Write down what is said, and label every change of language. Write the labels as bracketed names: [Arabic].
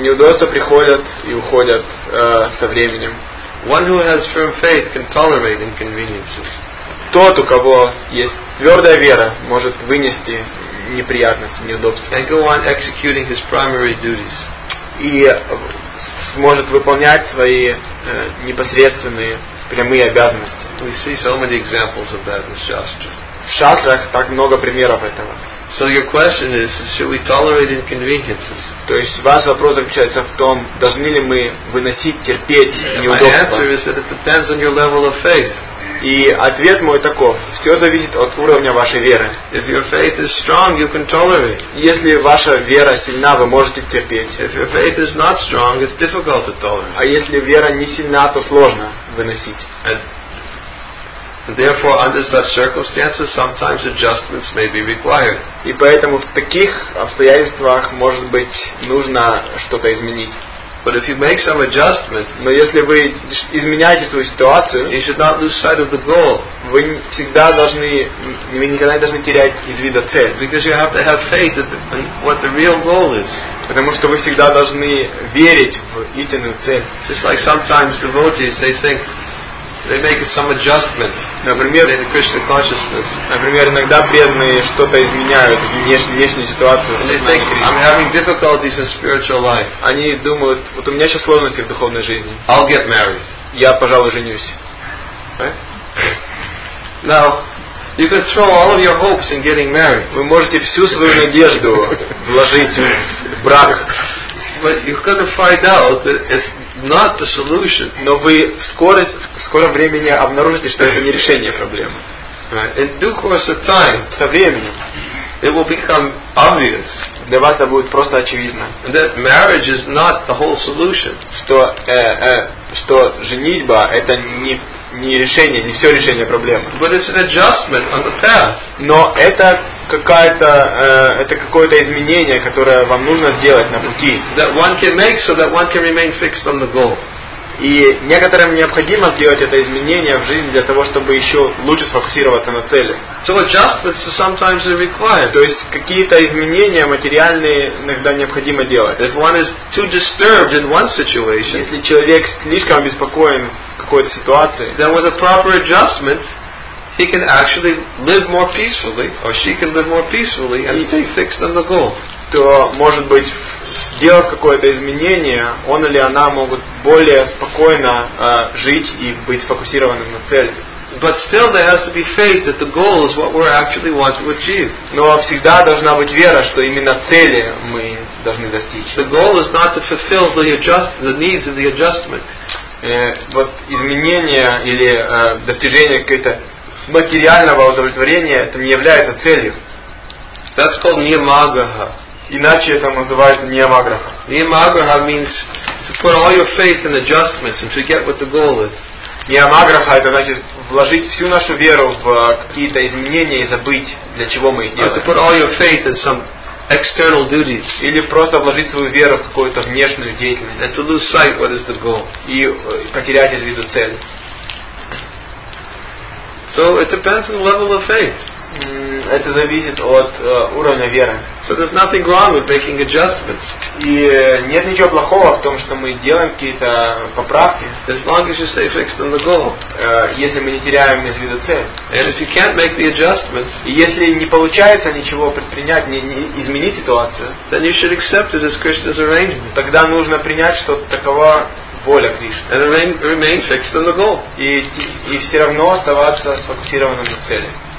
[Russian] Неудобства приходят и уходят со временем. [English] One who has firm faith can tolerate inconveniences. [Russian] Тот, у кого есть твердая вера, может вынести неприятности, неудобства. [English] And go on executing his primary duties. [Russian] И сможет выполнять свои непосредственные прямые обязанности. [English] We see so many examples of that in Shastra. [Russian] В шастрах так много примеров этого. [English] So your question is, should we tolerate inconveniences? [Russian] То есть ваш вопрос заключается в том, должны ли мы выносить, терпеть неудобства? [English] My answer is that it depends on your level of faith. [Russian] И ответ мой таков: все зависит от уровня вашей веры. [English] If your faith is strong, you can tolerate. [Russian] Если ваша вера сильна, вы можете терпеть. [English] If your faith is not strong, it's difficult to tolerate. [Russian] А если вера не сильна, то сложно выносить. [English] Therefore, under such circumstances, sometimes adjustments may be required. [Russian] И поэтому в таких обстоятельствах может быть нужно что-то изменить. [English] But if you make some adjustment, [Russian] но если вы изменяете свою ситуацию, [English] you should not lose sight of the goal. [Russian] Вы всегда должны, вы никогда не должны терять из вида цель. [English] Because you have to have faith in what the real goal is. [Russian] Потому что вы всегда должны верить в истинную цель. [English] Just like sometimes devotees, they think. They make some adjustment. [Russian] Например, [English] in the Krishna consciousness. [Russian] Например, иногда преданные что-то изменяют в внешней ситуации. [English] They think, I'm having difficulties in spiritual life. [Russian] Они думают, вот у меня сейчас сложности в духовной жизни. [English] I'll get married. [Russian] Я, пожалуй, женюсь. [English] Right? Now, you can throw all of your hopes in getting married. [Russian] Вы можете всю свою надежду вложить в брак. [English] But you've got to find out that it's not the solution. [Russian] Но вы в скором времени обнаружите, что это не решение проблемы. [English] Right. In due course of time, [Russian] со временем, [English] it will become obvious. [Russian] Для вас это будет просто очевидно. [English] That marriage is not the whole solution. [Russian] Что женитьба это не решение, не все решение проблемы. [English] But it's an adjustment on the path. [Russian] Но это это какое-то изменение, которое вам нужно сделать на пути. [English] That one can make so that one can remain fixed on the goal. [Russian] И некоторым необходимо сделать это изменение в жизни для того, чтобы еще лучше сфокусироваться на цели. [English] So adjustments sometimes are required. [Russian] То есть какие-то изменения материальные иногда необходимо делать. [English] If one is too disturbed in one situation, [Russian] если человек слишком обеспокоен в какой-то ситуации, [English] then with a proper adjustment, he can actually live more peacefully, or she can live more peacefully and stay fixed on the goal. [Russian] То может быть, сделав какое-то изменение, он или она могут более спокойно жить и быть сфокусированным на цели. [English] But still there has to be faith that the goal is what we're actually wanting to achieve. [Russian] Но всегда должна быть вера, что именно цели мы должны достичь. [English] The goal is not to fulfill the needs of the adjustment. [Russian] Вот изменение или достижение какого-то материального удовлетворения, это не является целью. [English] That's called niyamagraha. [Russian] Иначе это называется ниямаграха. [English] Ниямаграха means to put all your faith in adjustments and forget what the goal is. [Russian] Ниямаграха это значит вложить всю нашу веру в какие-то изменения и забыть, для чего мы их делаем. [English] To put all your faith in some external duties. [Russian] Или просто вложить свою веру в какую-то внешнюю деятельность. [English] And to lose sight what is the goal. [Russian] И потерять из виду цель. [English] So it depends on the level of faith. [Russian] Это зависит от уровня веры. [English] So there's nothing wrong with making adjustments. [Russian] И нет ничего плохого в том, что мы делаем какие-то поправки. [English] As long as you stay fixed on the goal. [Russian] Если мы не теряем из виду цель. [English] And if you can't make the adjustments. [Russian] И если не получается ничего предпринять, не изменить ситуацию. [English] Then you should accept it as Krishna's arrangement. [Russian] Тогда нужно принять, что такова воля Кришны. [English] And remain fixed on the goal. [Russian] И все равно оставаться сфокусированным на цели.